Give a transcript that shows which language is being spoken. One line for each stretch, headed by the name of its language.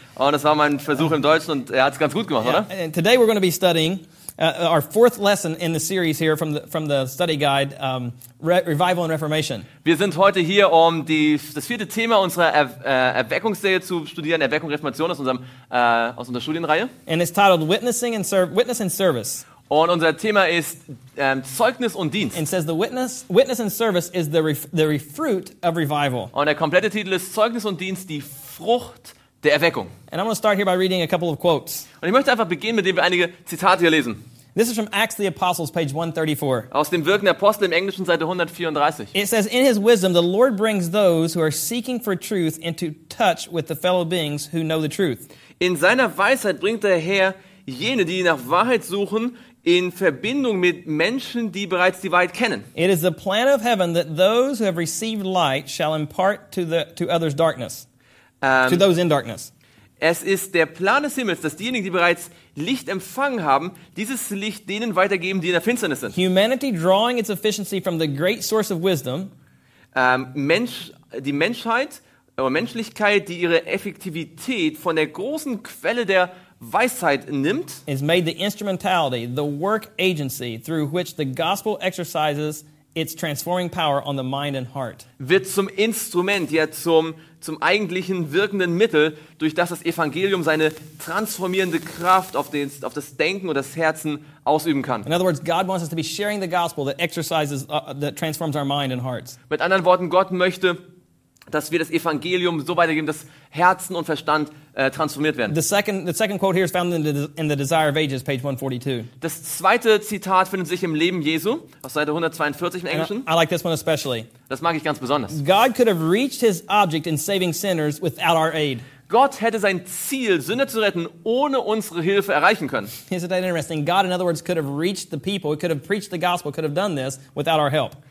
German: Und das war mein Versuch im Deutschen und er hat es ganz gut gemacht, oder?
English: And today we're going to be studying our fourth lesson in the series here from the study guide, Revival and Reformation.
German: Wir sind heute hier, um das vierte Thema unserer Erweckungsserie zu studieren, Erweckung Reformation aus unserer Studienreihe.
English: And it's titled Witness and Service.
German: Und unser Thema ist Zeugnis und Dienst.
English: And says the witness and service is the fruit of revival.
German: Und der komplette Titel ist Zeugnis und Dienst, die Frucht der Erweckung.
English: And I'm going to start here by reading a couple of quotes.
German: Und ich möchte einfach beginnen, indem wir einige Zitate hier lesen.
English: This is from Acts the Apostles, page 134.
German: Aus dem Wirken der Apostel im Englischen, Seite 134.
English: It says, in his wisdom, the Lord brings those who are seeking for truth into touch with the fellow beings who know the truth.
German: In seiner Weisheit bringt der Herr jene, die nach Wahrheit suchen, in Verbindung mit Menschen, die bereits die Wahrheit kennen.
English: It is the plan of heaven that those who have received light shall impart to others darkness. To those in darkness.
German: Es ist der Plan des Himmels, dass diejenigen, die bereits Licht empfangen haben, dieses Licht denen weitergeben, die in der Finsternis sind.
English: Humanity drawing its efficiency from the great source of wisdom.
German: Die Menschheit oder Menschlichkeit, die ihre Effektivität von der großen Quelle der Weisheit nimmt,
English: is made the instrumentality, the work agency through which the gospel exercises its transforming power on the mind and heart.
German: Wird zum Instrument, ja zum eigentlichen wirkenden Mittel, durch das Evangelium seine transformierende Kraft auf das Denken und das Herzen ausüben kann.
English: In other words, God wants us to be sharing the gospel that exercises that transforms our mind and hearts.
German: Mit anderen Worten, Gott möchte, dass wir das Evangelium so weitergeben, dass Herzen und Verstand transformiert werden.
English: The second quote here is found in the Desire of Ages, page 142.
German: Das zweite Zitat findet sich im Leben Jesu, auf Seite 142 im Englischen.
English: I like this one especially.
German: Das mag ich ganz besonders.
English: God could have reached his object in saving sinners without our aid.
German: Gott hätte sein Ziel, Sünder zu retten, ohne unsere Hilfe erreichen können.
English: Isn't that interesting? God, in other words, could have reached the people, could have preached the gospel, could have done this without our help.